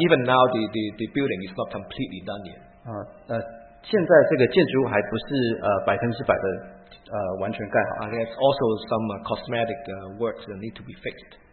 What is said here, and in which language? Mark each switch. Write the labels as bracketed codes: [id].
[en] Even now the building is not completely done yet. [zh] 现在这个建筑物还不是100%的完全盖好。 [en] There's also some cosmetic works that need to be fixed.